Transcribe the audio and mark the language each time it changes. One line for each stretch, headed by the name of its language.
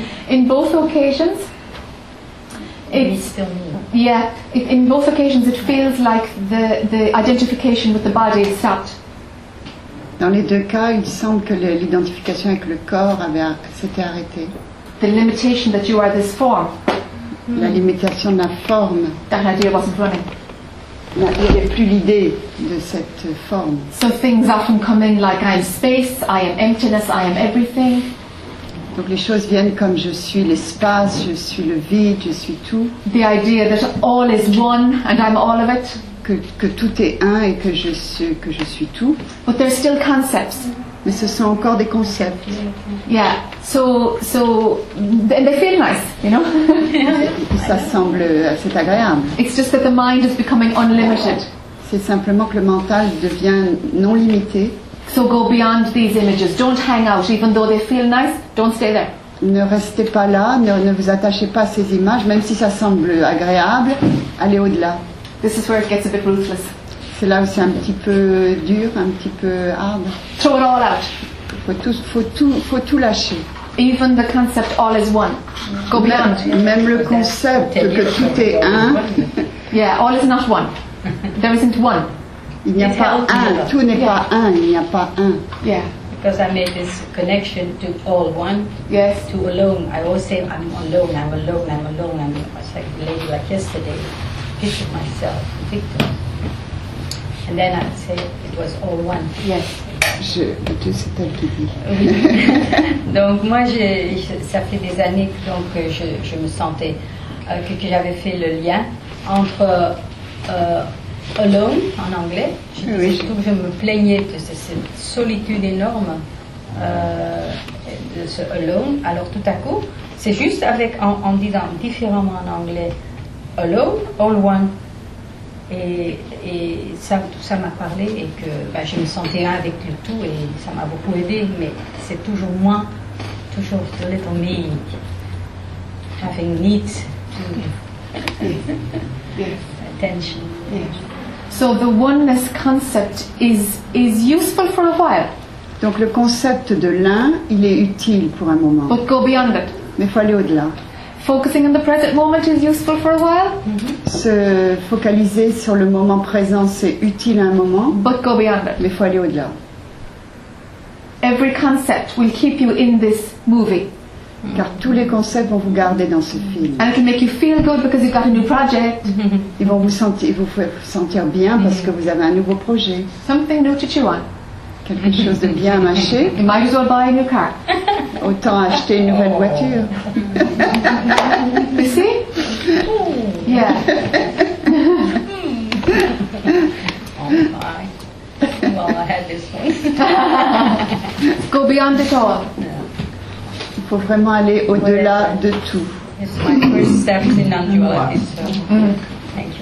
English: In both occasions, in both occasions, it feels like the identification with the body is stopped.
French: Dans les deux cas, il semble que l'identification avec le corps s'était arrêtée.
English: The limitation that you are this form.
French: La limitation de la forme.
English: That idea wasn't running.
French: il n'y avait plus l'idée de cette forme.
English: So things often come in like I am space, I am emptiness, I am everything.
French: Donc les choses viennent comme je suis l'espace, je suis le vide, je suis tout.
English: The idea that all is one and I'm all of it.
French: Que tout est un et que je suis tout.
English: But there are still concepts.
French: Mais ce sont encore des concepts.
English: Yeah. So they feel nice, you know.
French: Et ça semble assez agréable.
English: It's just that the mind is becoming unlimited.
French: C'est simplement que le mental devient non limité.
English: So go beyond these images. Don't hang out, even though they feel nice. Don't stay there.
French: Ne restez pas là. Ne vous attachez pas à ces images, même si ça semble agréable. Allez au-delà.
English: This is where it gets a bit ruthless.
French: C'est là où c'est un petit peu dur, un petit peu hard.
English: Throw it all out.
French: Faut tout lâcher.
English: Even the concept all is one. Go beyond.
French: Même le concept que tout est un.
English: Yeah, all is not one. There isn't one.
French: Il n'y a pas un. Tout n'est pas un. Il n'y a pas un.
English: Yeah. Because I made this connection to all one. Yes. To alone. I always say I'm alone. I was like the lady like yesterday. Picture myself. Victim. And then I'd say it was all one. Yes.
French: Je sais pas qui dit. Donc moi, ça fait des années que donc je me sentais que j'avais fait le lien entre alone en anglais. Surtout je me plaignais de cette solitude énorme de ce alone. Alors tout à coup, c'est juste avec en disant différemment en anglais
English: alone, all one.
French: Et ça, tout ça m'a parlé et que ben, je me sentais un avec le tout et ça m'a beaucoup aidé, mais c'est toujours moi, toujours
English: the little me, having needs to attention. So the oneness concept is useful for a while.
French: Donc le concept de l'un, il est utile pour un moment.
English: But go beyond it.
French: Mais il faut aller au-delà.
English: Focusing on the present moment is useful for a while. Mm-hmm.
French: Se focaliser sur le moment présent, c'est utile à un moment.
English: But go beyond it.
French: Mais il faut aller au-delà.
English: Every concept will keep you in this movie.
French: Car tous les concepts vont vous garder dans ce film.
English: And it can make you feel good because you've got a new project.
French: Ils vont vous sentir bien parce que vous avez un nouveau projet.
English: Something new to chew on.
French: Quelque chose de bien à mâcher.
English: You might as well buy a new car.
French: Autant acheter une nouvelle voiture.
English: You see? Oh. Yeah. Oh my. Well, I had this one. Go beyond it all.
French: Il faut vraiment aller au-delà de tout.
English: It's my first step in non-duality, so thank you very much.